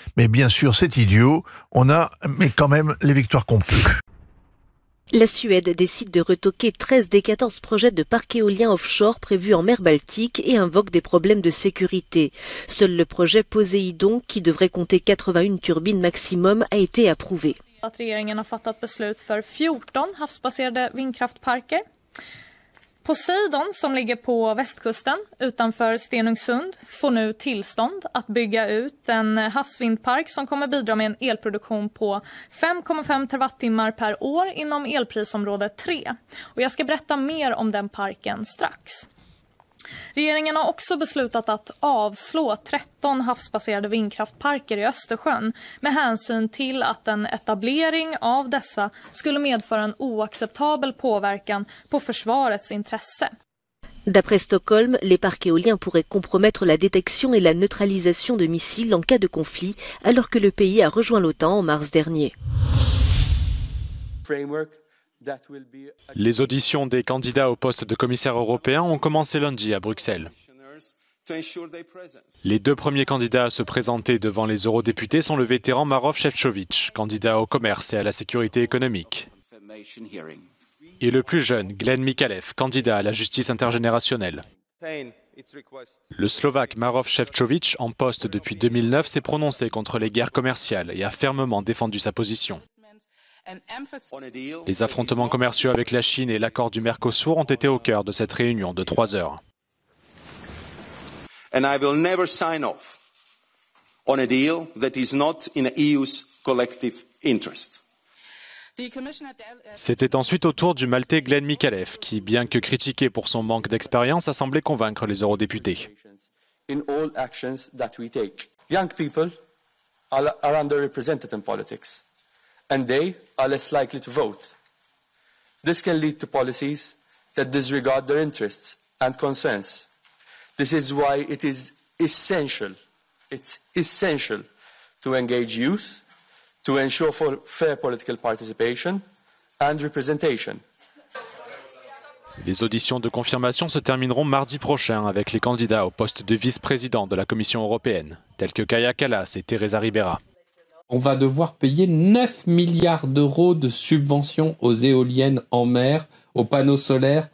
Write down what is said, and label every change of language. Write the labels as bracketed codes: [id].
[fr] Mais bien sûr, c'est idiot. On a mais quand même les victoires qu'on peut. La Suède décide de retoquer 13 des 14 projets de parc éolien offshore prévus en mer Baltique et invoque des problèmes de sécurité. Seul le projet Poséidon, qui devrait compter 81 turbines maximum, a été approuvé. [sv] Regeringen har fattat beslut för 14 havsbaserade vindkraftparker. Poseidon, som ligger på västkusten utanför Stenungsund, får nu tillstånd att bygga ut en havsvindpark som kommer bidra med en elproduktion på 5,5 terawattimmar per år inom elprisområde 3. Och jag ska berätta mer om den parken strax. Regeringen har också beslutat att avslå 13 havsbaserade vindkraftparker i Östersjön med hänsyn till att en etablering av dessa skulle medföra en oacceptabel påverkan på försvarets intresse. [fr] D'après Stockholm, les parcs éoliens pourraient compromettre la détection et la neutralisation de missiles en cas de conflit alors que le pays a rejoint l'OTAN en mars dernier. Framework. Les auditions des candidats au poste de commissaire européen ont commencé lundi à Bruxelles. Les deux premiers candidats à se présenter devant les eurodéputés sont le vétéran Maroš Šefčovič, candidat au commerce et à la sécurité économique, et le plus jeune, Glenn Mikalev, candidat à la justice intergénérationnelle. Le Slovaque Maroš Šefčovič, en poste depuis 2009, s'est prononcé contre les guerres commerciales et a fermement défendu sa position. Les affrontements commerciaux avec la Chine et l'accord du Mercosur ont été au cœur de cette réunion de 3 heures. [en] And I will never sign off on a deal that is not in the EU's collective interest. [fr] C'était ensuite au tour du Maltais Glenn Mikalev, qui, bien que critiqué pour son manque d'expérience, a semblé convaincre les eurodéputés. [en] In all actions that we take, young people are underrepresented in politics, and they are less likely to vote. This can lead to policies that disregard their interests and concerns. This is why it is essential, it's essential to engage youth, to ensure for fair political participation and representation. [fr] Les auditions de confirmation se termineront mardi prochain avec les candidats au poste de vice-président de la Commission européenne, tels que Kaya Kallas et Teresa Ribera. On va devoir payer 9 milliards d'euros de subventions aux éoliennes en mer, aux panneaux solaires.